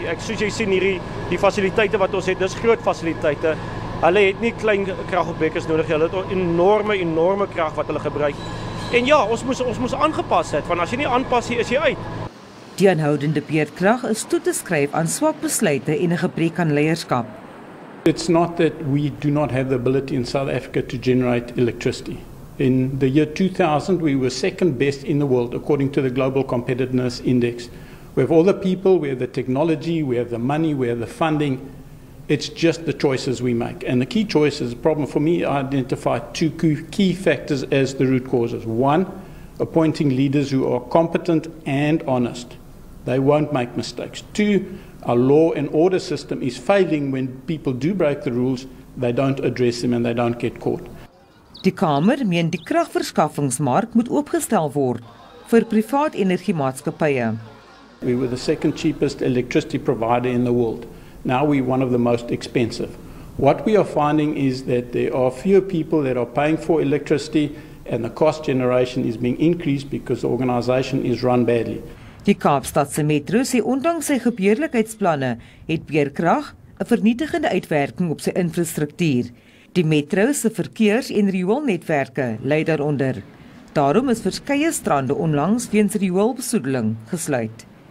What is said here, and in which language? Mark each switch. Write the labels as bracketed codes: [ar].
[af] Ek soos jy sien hierdie die fasiliteite wat ons het, dis groot fasiliteite. Hulle het nie klein kragopwekkers nodig nie. Hulle het enorme krag wat hulle gebruik. En ja, ons moes aangepas het, want as jy nie aanpas nie, is jy uit. Die aanhoudende beurtkrag is toe te skryf aan swak besluite en 'n gebrek aan leierskap. [en] It's not that we do not have the ability in South Africa to generate electricity. In the year 2000, we were second best in the world according to the Global Competitiveness Index. We have all the people, we have the technology, we have the money, we have the funding. It's just the choices we make. And the key choices, the problem for me, I identify two key factors as the root causes. One, appointing leaders who are competent and honest. They won't make mistakes. Two, our law and order system is failing when people do break the rules, they don't address them and they don't get caught. [af] Die Kamer meen die kragverskaffingsmark moet oopgestel word vir privaat energiemaatskappye. [en] We were the second cheapest electricity provider in the world. Now we're one of the most expensive. What we are finding is that there are fewer people that are paying for electricity and the cost generation is being increased because the organization is run badly. [af] Die Kaapstadse metro sê ondanks sy gebeurlikheidsplanne het beerkrag 'n vernietigende uitwerking op sy infrastruktuur. Die metro se verkeers- en rioolnetwerke lei daaronder. Daarom is verskeie strande onlangs weens rioolbesoedeling gesluit.